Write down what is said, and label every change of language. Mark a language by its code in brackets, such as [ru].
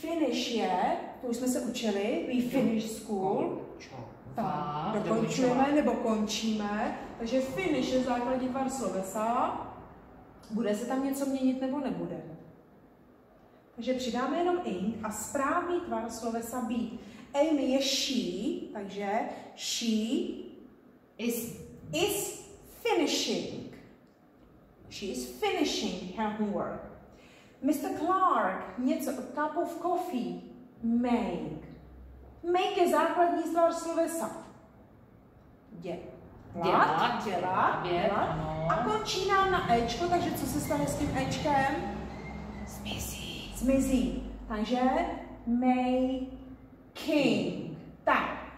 [cs] Finish je, to už jsme se učili, [en] we finish school. [cs] Čo? Tak, dokončujeme nebo končíme, takže finish je základní tvar slovesa. Bude se tam něco měnit nebo nebude? Takže přidáme jenom ing a správný tvar slovesa být. [en] Amy [cs] je [en] she, [cs] takže [en] she is finishing. She is finishing her homework. Mr. Clark, [cs] něco, [en] a cup of coffee, make. [cs] Make je základní tvar slovesa. Dělat. A končí nám na Ečko, takže co se stane s tím Ečkem? Zmizí. Takže making. Tak.